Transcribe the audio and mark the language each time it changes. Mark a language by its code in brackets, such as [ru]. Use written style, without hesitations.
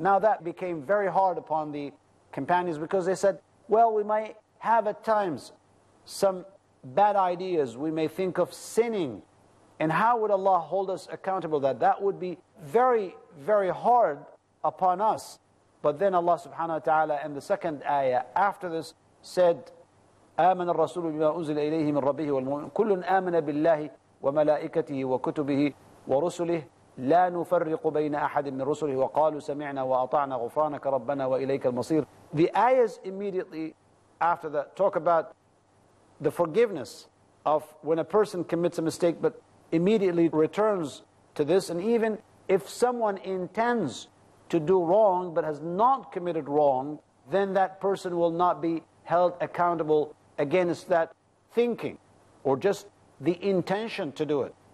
[en] Now that became very hard upon the companions because they said, well, we might have at times some bad ideas. We may think of sinning. And how would Allah hold us accountable that? That would be very, very hard upon us. But then Allah subhanahu wa ta'ala in the second ayah after this said, [ar] آمن الرسول بما أنزل إليه من ربه والمؤمن كل آمن بالله وملائكته وكتبه ورسله لا نفرق بين أحد من رسله وقالوا سمعنا وأطعنا غفرانك ربنا وإليك المصير. [en] The ayahs immediately after that talk about the forgiveness of when a person commits a mistake but immediately returns to this, and even if someone intends to do wrong but has not committed wrong, then that person will not be held accountable against that thinking or just the intention to do it.